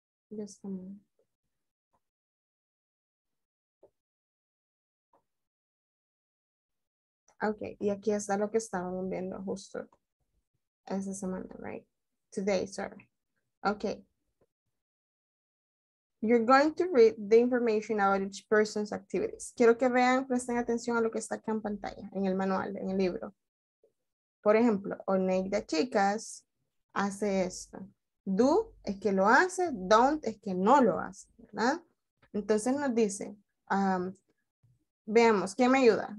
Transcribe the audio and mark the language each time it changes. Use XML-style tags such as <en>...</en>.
<en>Just a moment.</en> <es>Okay, y aquí está lo que estábamos viendo justo esa semana, right?</es> <en>Today, sorry. Okay. You're going to read the information about each person's activities.</en> <es>Quiero que vean, presten atención a lo que está acá en pantalla, en el manual, en el libro. Por ejemplo, Oneida Chicas hace esto. Do es que lo hace, don't es que no lo hace, ¿verdad? Entonces nos dice, veamos, ¿quién me ayuda?</es>